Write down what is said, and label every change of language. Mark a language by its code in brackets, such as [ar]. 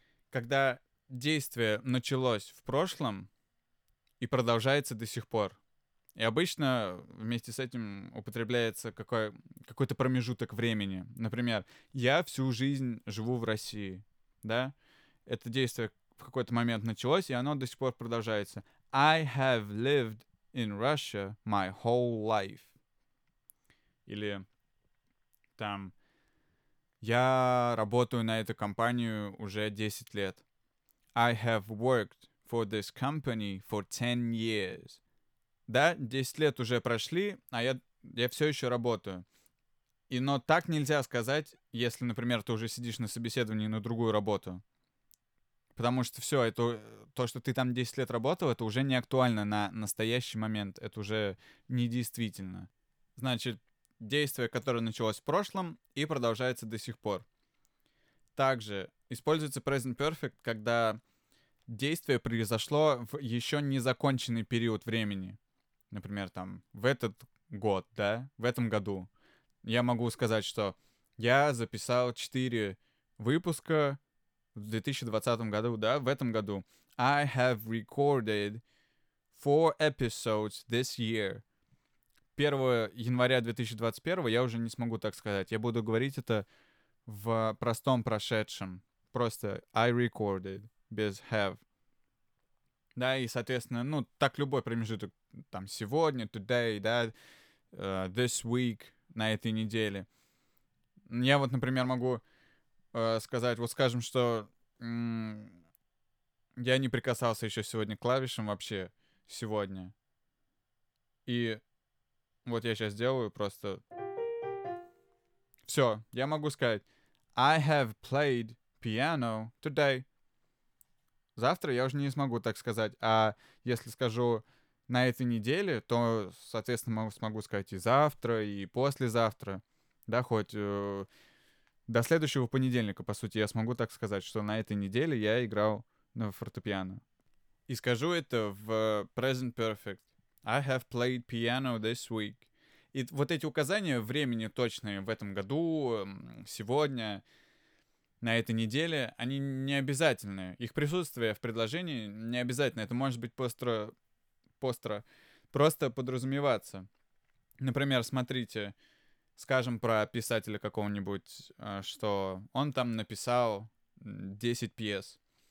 [ru] Когда действие началось в прошлом и продолжается до сих пор. И обычно вместе с этим употребляется какой-то промежуток времени. Например, я всю жизнь живу в России, да? Это действие в какой-то момент началось, и оно до сих пор продолжается. [en] I have lived in Russia my whole life. [ru] Или... Там, я работаю на эту компанию уже 10 лет. [en] I have worked for this company for 10 years. [ru] Да, 10 лет уже прошли, а я все еще работаю. И, но так нельзя сказать, если, например, ты уже сидишь на собеседовании на другую работу. Потому что все, это то, что ты там 10 лет работал, это уже не актуально на настоящий момент. Это уже недействительно. Значит, действие, которое началось в прошлом и продолжается до сих пор. Также используется present perfect, когда действие произошло в еще не законченный период времени. Например, там, в этот год, да, в этом году, я могу сказать, что я записал 4 выпуска в 2020 году, да, в этом году. [en] I have recorded 4 episodes this year. [ru] 1 января 2021 я уже не смогу так сказать. Я буду говорить это в простом прошедшем. [en] Просто I recorded без have. [ru] Да, и, соответственно, ну, так любой промежуток, там, сегодня, today, да, [en] this week, [ru] на этой неделе. Я вот, например, могу сказать, вот скажем, что я не прикасался еще сегодня к клавишам вообще, сегодня. И вот я сейчас делаю просто... Все, я могу сказать, [en] I have played piano today. [ru] Завтра я уже не смогу так сказать, а если скажу на этой неделе, то, соответственно, смогу сказать и завтра, и послезавтра, да, хоть до следующего понедельника, по сути, я смогу так сказать, что на этой неделе я играл на фортепиано. И скажу это в present perfect. [en] I have played piano this week. [ru] И вот эти указания времени точные в этом году, сегодня... На этой неделе они не обязательны. Их присутствие в предложении не обязательно. Это может быть просто подразумеваться. Например, смотрите, скажем про писателя какого-нибудь, что он там написал 10 пьес.